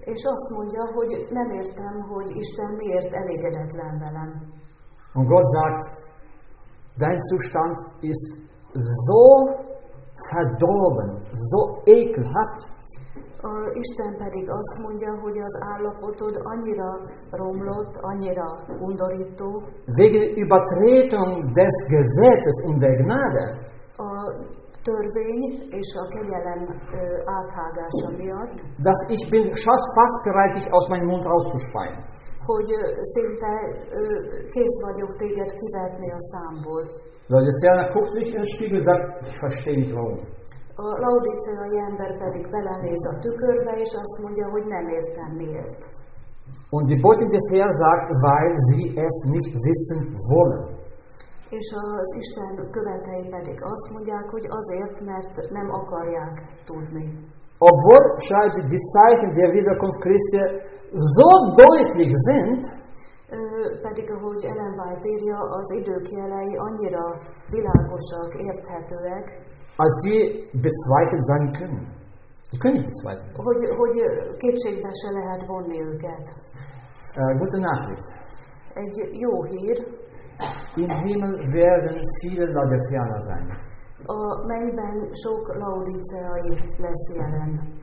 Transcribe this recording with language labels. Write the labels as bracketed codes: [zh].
[hu] És azt mondja, hogy nem értem, hogy Isten miért elégedetlen velem. [de] Und Gott sagt, dein Zustand ist so verdorben, so ekelhaft. [hu] Isten pedig azt mondja, hogy az állapotod annyira romlott, annyira undorító. [de] Wegen Übertretung des Gesetzes und der Gnade. [hu] A törvény és a kegyelem áthágása miatt. [de] Dass ich bin fast bereit, dich aus meinem Mund rauszuschreien. [hu] Hogy szinte kész vagyok téged kivetni a számból. [de] Laodiceana guckt sich in den Spiegel und sagt, ich verstehe nicht warum. [hu] A laodiceai ember pedig belenéz a tükörbe, és azt mondja, hogy nem értem miért. [de] Und die Botin des Herrn sagt, weil sie es nicht wissen wollen. [hu] És az Isten követei pedig azt mondják, hogy azért, mert nem akarják tudni. [de] obwohl schreibt die Zeichen der Wiederkunft Christi so deutlich sind, [hu] pedig ahogy Ellen White írja, az idők jelei annyira világosak, érthetőek, [de] als sie bezweifelt sein können. Sie können nicht bezweifeln. [hu] Hogy kétségbe se lehet vonni őket. [de] Gute Nachricht. [hu] Egy jó hír. [de] Im Himmel werden viele Laodiceaner sein. [hu] A mennyben sok Laodiceai lesz jelen.